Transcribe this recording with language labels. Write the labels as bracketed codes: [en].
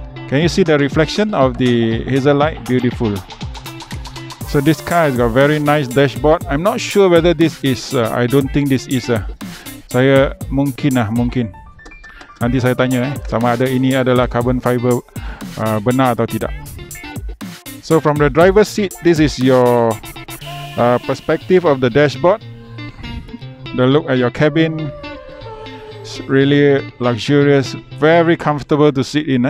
[en] Can you see the reflection of the hazel light? Beautiful. So this car has got very nice dashboard. I'm not sure whether this is I don't think this is [ms] Saya mungkin Nanti saya tanya sama ada ini adalah carbon fiber benar atau tidak. [en] So from the driver's seat, this is your perspective of the dashboard. The look at your cabin, it's really luxurious, very comfortable to sit in.